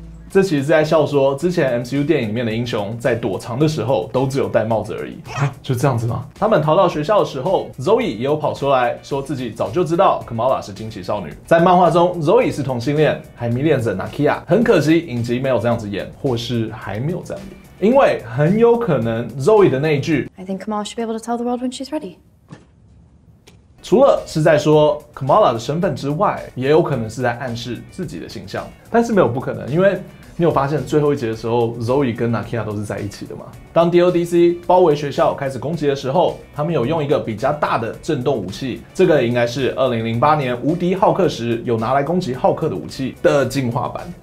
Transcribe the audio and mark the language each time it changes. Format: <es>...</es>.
<zh>这其实是在笑说，之前 MCU 电影里面的英雄在躲藏的时候都只有戴帽子而已。就这样子吗？他们逃到学校的时候 ，Zoe 也有跑出来说自己早就知道 Kamala 是惊奇少女。在漫画中 ，Zoe 是同性恋，还迷恋着 Nakia。很可惜，影集没有这样子演，或是还没有这样演。因为很有可能 Zoe 的那一句</zh> <en>I think Kamala should be able to tell the world when she's ready，</en> <zh>除了是在说 Kamala 的身份之外，也有可能是在暗示自己的形象。但是没有不可能，因为你有发现最后一集的时候 Zoe 跟 Nakia 都是在一起的吗？当 DODC 包围学校开始攻击的时候，他们有用一个比较大的震动武器，这个应该是2008年无敌浩克时有拿来攻击浩克的武器的进化版。</zh>